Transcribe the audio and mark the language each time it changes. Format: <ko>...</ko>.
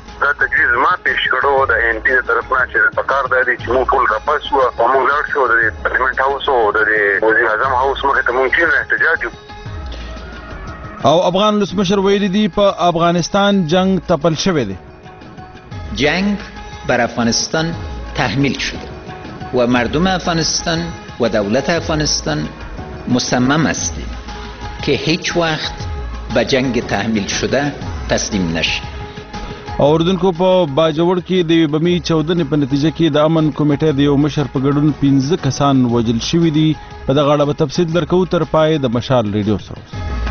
<ps>دا تجویز ما پیش کړو د ان ټي طرفنا چې په کار دی چې موږ ټول راپس وو او موږ لاړ شو د پارلمنت هاوس او د وزیر اعظم هاوس مخې ته ممکن احتجاج او افغان ولسمشر ویلي دي په افغانستان جنگ تپل شوی دی.</ps> <fa>جنگ بر افغانستان تحمیل شده و مردم افغانستان و دولت افغانستان مصمم هستیم که هیچ وقت به جنگ تحمیل شده تسلیم نشیم.</fa> <ps>اوردونکو په باجوړ کې د بمی 14 په نتیجه کې د امن کمیټې د یو مشر په ګډون 15 کسان وژل شوی دي. په دغه اړه به تفصیل درکو تر پای د مشال ریډیو سره.</ps>